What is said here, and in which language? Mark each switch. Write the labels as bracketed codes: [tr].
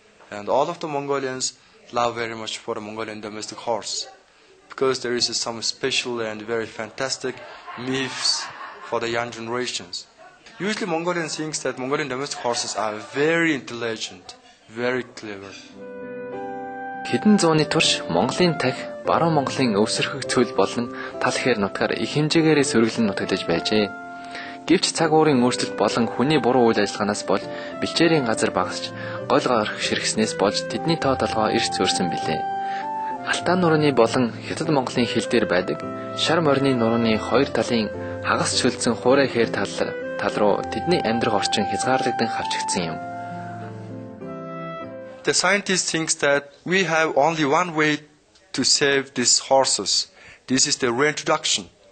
[en] And all of the Mongolians love very much for the Mongolian domestic horse, because there is some special and very fantastic myths for the young generations. Usually Mongolians think that Mongolian domestic horses are very intelligent, very clever. [mn] Хэдэн зууны турш Монголын тах, Баруун Монголын өвсөрхөг цөл болон тал хээр нутгаар их хэмжээгээр сөргөлн нутаглаж байжээ. Гэвч цаг уурын өөрчлөлт болон хүний буруу үйл ажиллагаанаас бол бэлчээрийн газар багасч, гол гарах ширгэснээс болж тэдний тоо толгоо эрс зөөрсөн билээ. Алтан нурууны болон Хятад Монголын хил дээр байдаг Шар морины нурууны хоёр талын хагас чөлдсөн хуурай хээр тал руу тэдний амьдрах орчин хязгаарлагдан хавчигдсан юм. [en] The scientist thinks that we have only one way to save these horses. This is the reintroduction.